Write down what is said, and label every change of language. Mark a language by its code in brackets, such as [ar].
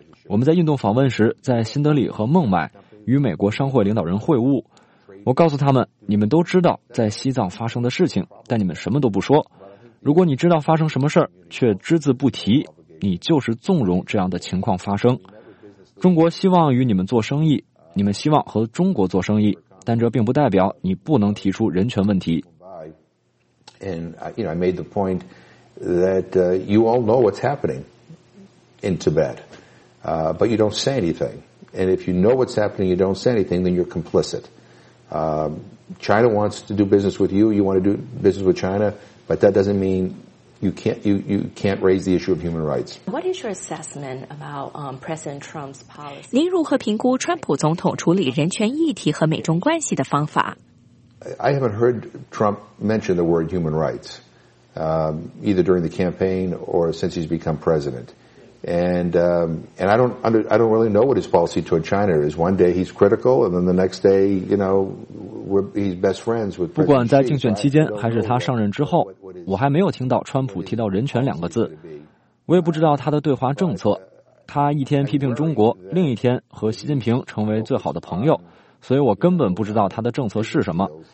[zh] 我们在印度访问时，在新德里和孟买与美国商会领导人会晤，我告诉他们，你们都知道在西藏发生的事情，但你们什么都不说。如果你知道发生什么事儿，却只字不提，你就是纵容这样的情况发生。中国希望与你们做生意，你们希望和中国做生意，但这并不代表你不能提出人权问题。 [en] And I made the point that you all know what's happening in Tibet, but you don't say anything. And if you know what's happening, you don't say anything, then you're complicit. China wants to do business with you. You want to do business with China, but that doesn't mean you can't raise the issue of human rights. What is your assessment about President Trump's policy? [zh] 您如何评估川普总统处理人权议题和美中关系的方法？ [en] I haven't heard Trump mention the word human rights, either during the campaign or since he's become president. And I don't really know what his policy toward China is. One day he's critical, and then the next day, [zh] 不管在竞选期间还是他上任之后，我还没有听到川普提到人权两个字。我也不知道他的对华政策，他一天批评中国，另一天和习近平成为最好的朋友，所以我根本不知道他的政策是什么。